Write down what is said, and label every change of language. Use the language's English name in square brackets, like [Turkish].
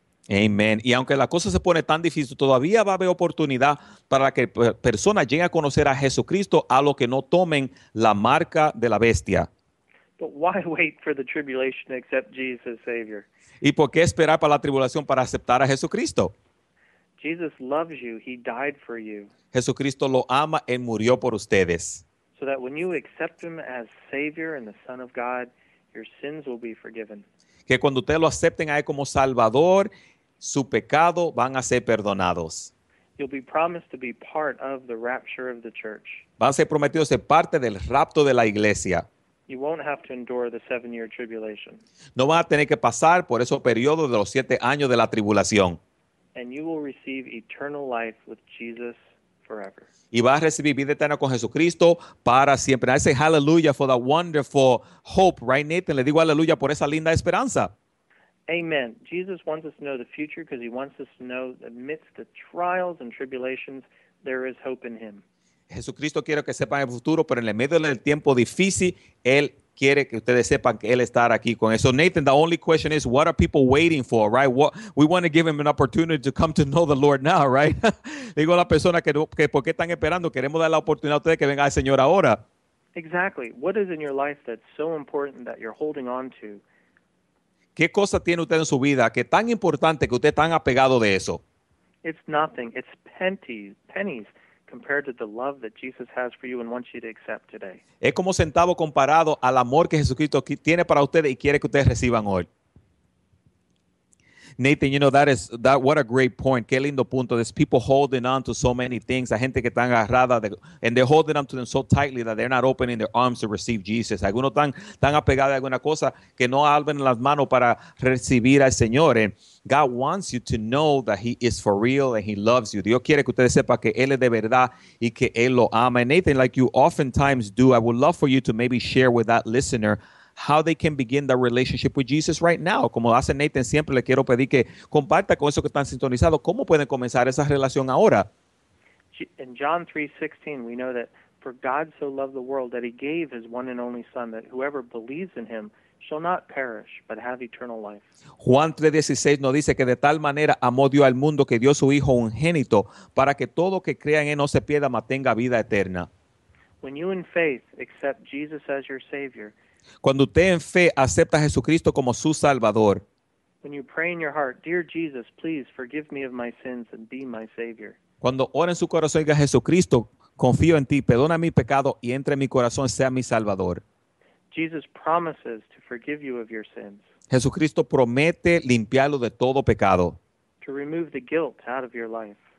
[English] Amen. [Spanish] Y aunque la cosa se pone tan difícil, todavía va a haber oportunidad para que personas lleguen a conocer a Jesucristo a lo que no tomen la marca de la bestia. [English] But why wait for the tribulation to accept Jesus as Savior? [Spanish] ¿Y por qué esperar para la tribulación para aceptar a Jesucristo? [English] Jesus loves you. He died for you. [Spanish] Jesucristo lo ama y murió por ustedes. [English] So that when you accept him as Savior and the Son of God, your sins will be forgiven. [Spanish] Que cuando ustedes lo acepten a él como Salvador, su pecado van a ser perdonados. [English] You'll be promised to be part of the rapture of the church. [Spanish] Van a ser prometidos ser parte del rapto de la iglesia. [English] You won't have to endure the 7-year tribulation. [Spanish] No van a tener que pasar por esos periodos de los 7 años de la tribulación. [English] And you will receive eternal life with Jesus forever. [Spanish] Y vas a recibir vida eterna con Jesucristo para siempre. [English] I say hallelujah for that wonderful hope, right, Nathan? [Spanish] Le digo aleluya por esa linda esperanza. [English] Amen. Jesus wants us to know the future because he wants us to know amidst the trials and tribulations, there is hope in him. [Spanish] Jesucristo quiere que sepan el futuro, pero en el medio del tiempo difícil, él quiere que ustedes sepan que él está aquí con eso. [English] Nathan, the only question is, what are people waiting for, right? What, we want to give him an opportunity to come to know the Lord now, right? [Spanish] Digo a la persona que por qué están esperando, queremos dar la oportunidad a ustedes que venga el Señor ahora. [English] Exactly. What is in your life that's so important that you're holding on to? [Spanish] ¿Qué cosa tiene usted en su vida que es tan importante que usted está tan apegado de eso? [English] It's nothing. It's pennies. Compared to the love that Jesus has for you and wants you to accept today. [Spanish] Es como centavo comparado al amor que Jesucristo tiene para ustedes y quiere que ustedes reciban hoy. [English] Nathan, you know, that what a great point. [Spanish] Qué lindo punto. [English] There's people holding on to so many things. [Spanish] La gente que está agarrada, [English] and they're holding on to them so tightly that they're not opening their arms to receive Jesus. [Spanish] Algunos están tan apegados a alguna cosa que no abren las manos para recibir al Señor. [English] And God wants you to know that he is for real and he loves you. [Spanish] Dios quiere que ustedes sepan que él es de verdad y que él lo ama. [English] And Nathan, like you oftentimes do, I would love for you to maybe share with that listener how they can begin their relationship with Jesus right now. [Spanish] Como hace Nathan, siempre le quiero pedir que comparta con eso que están sintonizados, ¿cómo pueden comenzar esa relación ahora? [English] In John 3:16, we know that for God so loved the world that he gave his one and only son, that whoever believes in him shall not perish, but have eternal life. [Spanish] Juan 3:16 nos dice que de tal manera amó Dios al mundo que dio su Hijo unigénito para que todo que crea en él no se pierda, mas tenga vida eterna. [English] When you in faith accept Jesus as your Savior, [Spanish] cuando usted en fe acepta a Jesucristo como su Salvador, [English] when you pray in your heart, dear Jesus, please forgive me of my sins and be my Savior. [Spanish] Cuando ora en su corazón y diga, Jesucristo, confío en ti, perdona mi pecado y entre en mi corazón, sea mi Salvador. [English] Jesus promises to forgive you of your sins. [Spanish] Jesucristo promete limpiarlo de todo pecado. [English] To remove the guilt out of your life.